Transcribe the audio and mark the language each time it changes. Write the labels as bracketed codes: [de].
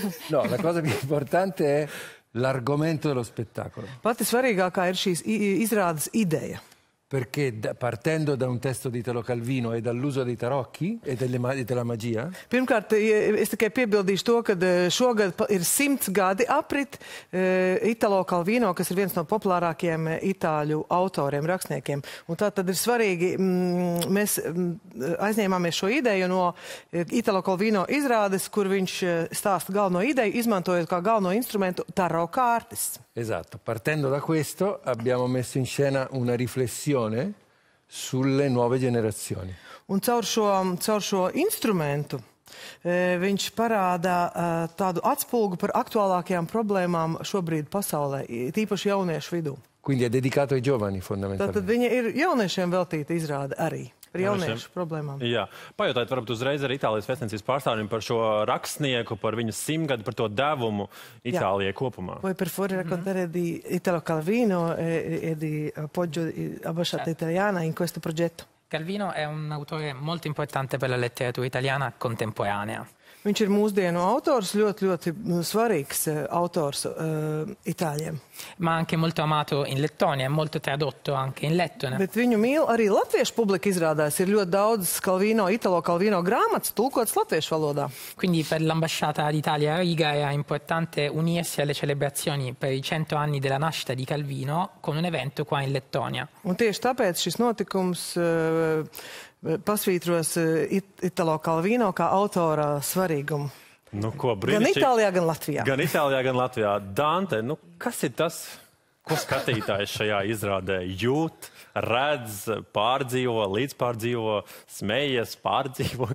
[it] No, la cosa più importante è l'argomento dello spettacolo. [lv] Pati svarīgā, kā ir šīs izrādes ideja. [it] Perché partendo da un testo di Italo Calvino e dall'uso dei tarocchi e della magia... [lv] Pirmkārt, es tikai piebildīšu to, ka šogad ir 100 gadi aprit Italo Calvino, kas ir viens no populārākajiem itāļu autoriem, rakstniekiem. Un tā tad ir svarīgi, mēs aizņēmāmies šo ideju no Italo Calvino izrādes, kur viņš stāsta galveno ideju, izmantojot kā galveno instrumentu taro kārtis. [it] Esatto, partendo da questo abbiamo messo in scena una riflessione sulle nuove generazioni. [lv] Un caur šo instrumentu viņš parāda tādu atspulgu par aktuālākajām problēmām šobrīd pasaulē, tīpaši jauniešu vidū. [it] Quindi è dedicato ai giovani fondamentalmente. [lv] Tad viņa ir jauniešiem veltīta izrāde arī. Par jauniešu problēmām. Jā. Pajautāt varbūt uzreiz ar Itālijas vēstniecības pārstāvjiem par šo rakstnieku, par viņu simtgadu, par to devumu Itālijai kopumā. [it] Voi per favore raccontare di Italo Calvino e di appoggio ambasciata italiana in questo progetto. Calvino è un autore molto importante per la letteratura italiana contemporanea. [lv] Viņš ir mūsdienu autors, ļoti svarīgs autors Itāļiem. [it] Ma anche molto amato in Lettonia, molto tradotto anche in Lettone. [lv] Bet viņu mīl arī latviešu publika izrādās. Ir ļoti daudz Calvino, Italo Calvino grāmatas tulkotas latviešu valodā. [it] Quindi per l'ambasciata d'Italia a Riga è importante unirsi alle celebrazioni per i 100 anni della nascita di Calvino con un evento qua in Lettonia. [lv] Un tieši tāpēc šis notikums... pasvītros Italo Calvino kā autora svarīgumu. Nu, ko, brīnišķīgi. Gan Itālijā, gan Latvijā. Gan Itālijā, gan Latvijā. Dante, nu, kas ir tas, ko skatītājs šajā izrādē jūt, redz, pārdzīvo, līdzpārdzīvo, smējies, pārdzīvo?